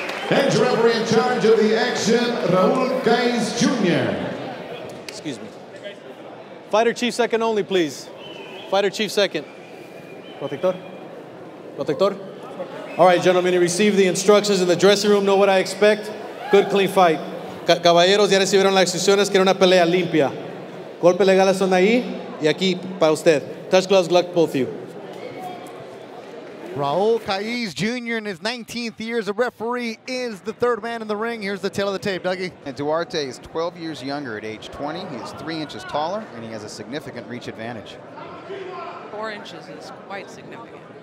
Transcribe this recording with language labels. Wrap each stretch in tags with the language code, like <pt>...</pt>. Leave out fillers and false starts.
<en>And referee in charge of the action, Raul Caiz Jr. Excuse me. Fighter chief second only, please. Fighter chief second. Protector. Protector? All right, gentlemen, you receive the instructions in the dressing room. Know what I expect? Good, clean fight.</en> <es>Caballeros, ya recibieron las instrucciones. Quiero una pelea limpia. Golpes legales son ahí y aquí para usted.</es> <en>Touch gloves, luck both of you. Raul Caiz Jr. in his 19th year as a referee is the third man in the ring. Here's the tail of the tape, Dougie. And Duarte is 12 years younger at age 20. He is 3 inches taller, and he has a significant reach advantage. 4 inches is quite significant.</en>